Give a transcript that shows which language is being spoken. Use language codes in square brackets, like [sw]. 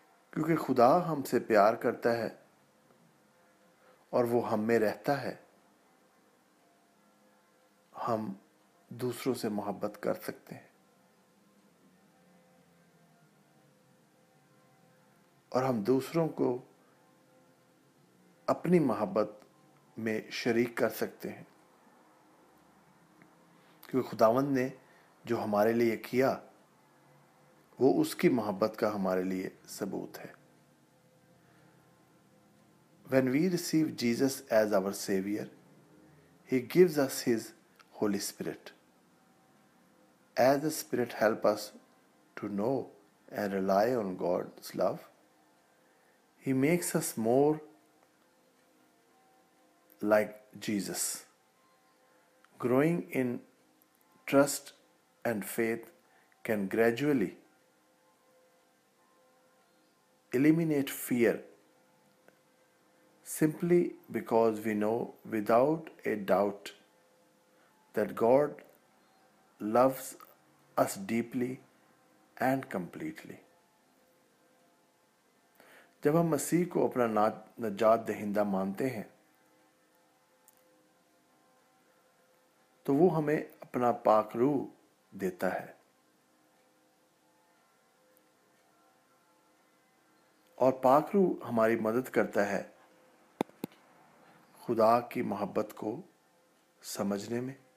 [ur] کیونکہ خدا ہم سے پیار کرتا ہے اور وہ ہم میں رہتا ہے, ہم دوسروں سے محبت کر سکتے ہیں اور ہم دوسروں کو اپنی محبت میں شریک کر سکتے ہیں. کیونکہ خداوند نے جو ہمارے لیے کیا وہ اس کی محبت کا ہمارے لیے ثبوت ہے. [en] When we receive Jesus as our Savior, He gives us His Holy Spirit. As the Spirit helps us to know and rely on God's love, He makes us more like Jesus, growing in trust and faith can gradually eliminate fear simply because we know without a doubt that God loves us deeply and completely. [ur] جب ہم مسیح کو اپنا نجات دہندہ مانتے ہیں تو وہ ہمیں اپنا پاک روح دیتا ہے اور پاک روح ہماری مدد کرتا ہے خدا کی محبت کو سمجھنے میں